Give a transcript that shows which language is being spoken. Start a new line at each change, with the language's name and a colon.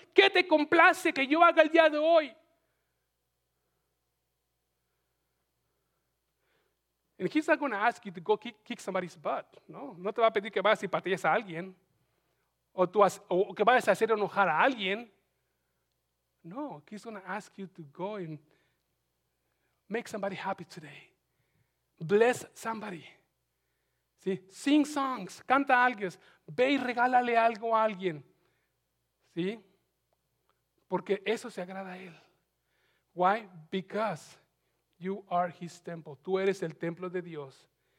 Spanish: ¿Qué te complace que yo haga el día de hoy?
English: And he's not going to ask you to go kick somebody's butt.
Spanish: No, no te va a pedir que vayas y patees a alguien. O que vayas a hacer enojar a alguien.
English: No, he's going to ask you to go and make somebody happy today. Bless somebody.
Spanish: ¿Sí?
English: Sing songs,
Spanish: canta algo, ve y regálale algo a alguien. ¿Sí? Porque eso se agrada a él.
English: Why? Because you are his temple.
Spanish: Tú eres el templo de Dios.